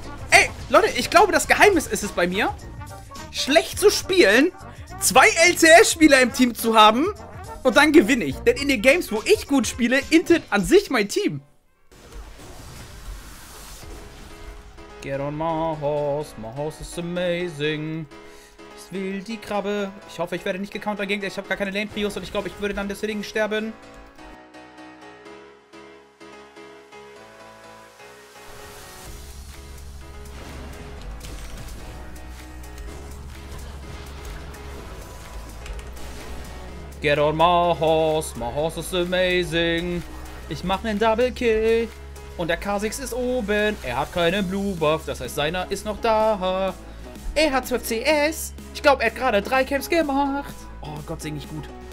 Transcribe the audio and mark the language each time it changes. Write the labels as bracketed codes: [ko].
[de] Ey, Leute, ich glaube, das Geheimnis ist es bei mir, schlecht zu spielen, 2 LCS-Spieler im Team zu haben und dann gewinne ich. Denn in den Games, wo ich gut spiele, intet an sich mein Team. [en] Get on my horse is amazing. [de] Es will die Krabbe. Ich hoffe, ich werde nicht gecountert gegen. Ich habe gar keine Lane-Prios und ich glaube, ich würde dann deswegen sterben. [en] Get on my horse is amazing. [de] Ich mache einen Double Kill. Und der Kha'Zix ist oben. Er hat keinen Blue Buff. Das heißt, seiner ist noch da. Er hat 12 CS. Ich glaube, er hat gerade 3 Camps gemacht. Oh Gott, sehe ich gut.